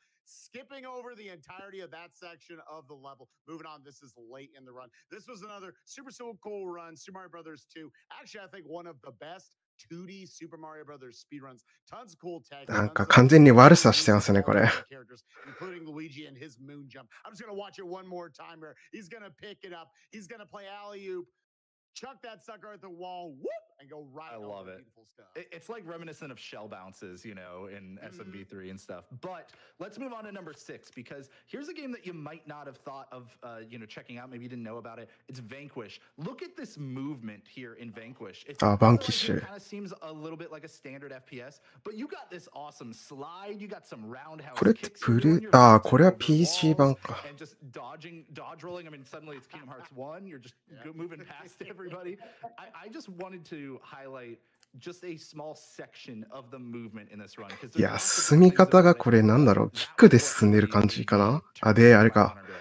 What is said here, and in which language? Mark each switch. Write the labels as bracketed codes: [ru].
[en] skipping over the entirety of that section of the level. Moving on, this is late in the run. This was another super, super cool run. Super Mario Brothers 2. Actually, I think one of the best 2D Super Mario Brothers speedruns. Tons of cool tech. [ja] なんか完全に悪さしてますね、これ。 [en] Characters, including Luigi and his moon jump. I'm just going to watch it one more time here. He's going to pick it up. He's going to play alley-oop. Chuck that sucker at the wall, whoop, and go right over the beautiful stuff. It's like reminiscent of shell bounces, you know, in SMB3 and stuff. But let's move on to number six, because here's a game that you might not have thought of, you know, checking out. Maybe you didn't know about it. It's Vanquish. Look at this movement here in Vanquish. Vanquish. It kind of seems a little bit like a standard FPS, but you got this awesome slide. You got some roundhouse kicks. [ja] これは PC 版か。 [en] And just dodging, dodge rolling. I mean, suddenly it's Kingdom Hearts 1. You're just moving past it. Everybody, I just wanted to highlight just a small section of the movement in this run. [ja] いや、進み方がこれなんだろう。キックで進んでる感じかな。あ、で、あれか。